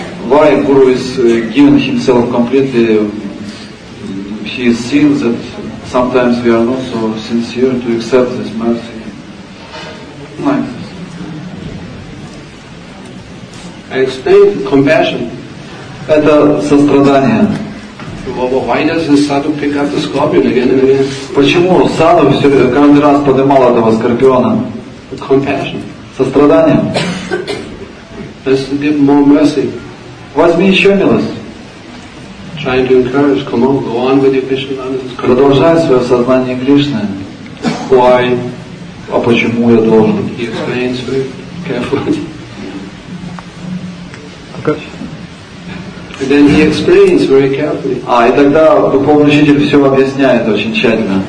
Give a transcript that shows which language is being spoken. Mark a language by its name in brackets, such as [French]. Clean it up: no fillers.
[English] Why guru is giving himself completely? He is seeing that sometimes we are not so sincere to accept this mercy. I explained compassion. [Russian] Это сострадание. [English] Why does the sadhu pick up the scorpion again and again? [Russian] Почему саду все каждый раз поднимал этого скорпиона? [English] Compassion. [Russian] Сострадание. [English] Let's give more mercy. [Russian] Возьми еще милость. [English] Trying to encourage, come on, go on with your Krishna consciousness. [Russian] Продолжай свое сознание Кришны. [English] Why? [Russian] А почему я должен? [English] He explains very carefully. And then he explains very carefully. [Russian] А и тогда духовный учитель все объясняет очень тщательно.